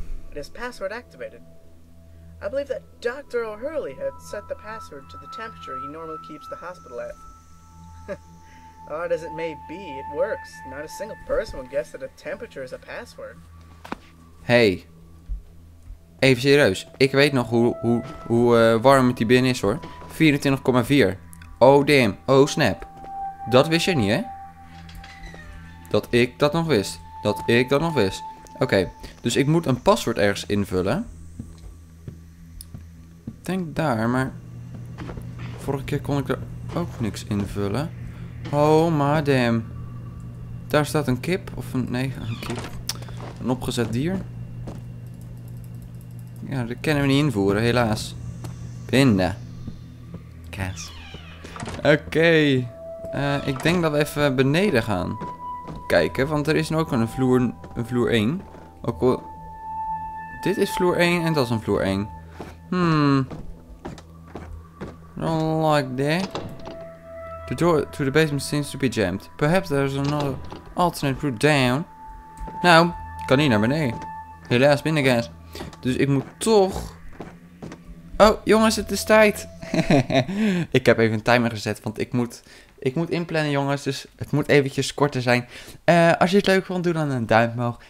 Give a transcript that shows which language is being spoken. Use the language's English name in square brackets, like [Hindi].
[English] It is password activated. I believe that Dr. O'Hurley had set the password to the temperature he normally keeps the hospital at. Odd as it may be, it works. Not a single person would guess that a temperature is a password. [Dutch] Hey. Even serieus. Ik weet nog hoe warm het hier binnen is hoor. 24,4. [English] Oh damn. Oh snap. [Dutch] Dat wist je niet hè? Dat ik dat nog wist. Oké. Dus ik moet een paswoord ergens invullen. Ik denk daar, maar... Vorige keer kon ik er ook niks invullen. [English] Oh my damn. [Dutch] Daar staat een kip. Of een... Nee, een kip. Een opgezet dier. Ja, dat kunnen we niet invoeren, helaas. Pinda. Kaas. Oké. Ik denk dat we even beneden gaan. Kijken, want er is nu ook een vloer... Een vloer 1. Ook al... Dit is vloer 1 en dat is een vloer 1. [English] Don't like that. The door to the basement seems to be jammed. Perhaps there's another alternate route down. [Dutch] Nou, kan niet naar beneden. Helaas, binnen guys. Dus ik moet toch... Oh, jongens, het is tijd. Ik heb even een timer gezet, want ik moet inplannen, jongens. Dus het moet eventjes korter zijn. Als je het leuk vond, doe dan een duimpje omhoog.